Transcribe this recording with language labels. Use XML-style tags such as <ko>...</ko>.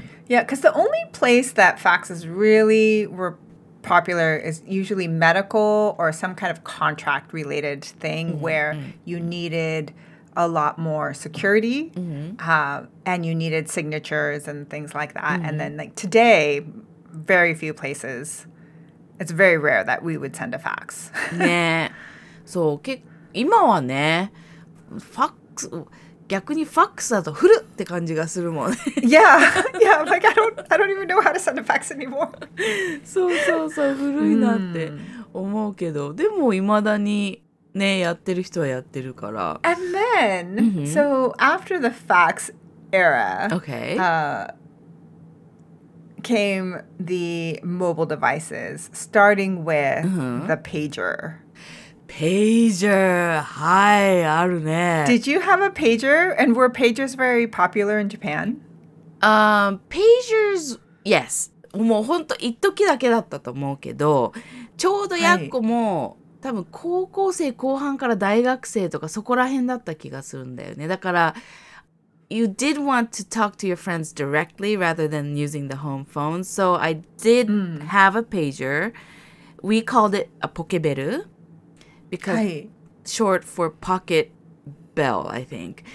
<en>Yeah, because the only place that faxes really were popular is usually medical or some kind of contract related thing where you needed a lot more security and you needed signatures and things like that. And then, like, today, very few places. It's very rare that we would send a fax.</en> <ja>ね、そう、今はね、ファックス、逆にファックスだと古って感じがするもんね。</ja> <en>Yeah, yeah, like I don't even know how to send a fax anymore.</en> <ja>そうそうそう、古いなって思うけど、でも未だにね、やってる人はやってるから。</ja> <en>And then, so after the fax era, okay. Came the mobile devices, starting with the pager.</en> <ja>Pager, はい、あるね。</ja> <en>Did you have a pager? And were pagers very popular in Japan? Pagers, yes.</en> <ja>もう本当一時だけだったと思うけど、ちょうどやっこも、はい、多分高校生後半から大学生とかそこら辺だった気がするんだよね。だから。</ja> <en>You did want to talk to your friends directly rather than using the home phone. So I did have a pager. We called it a pokebel because short for pocket bell, I think.</en>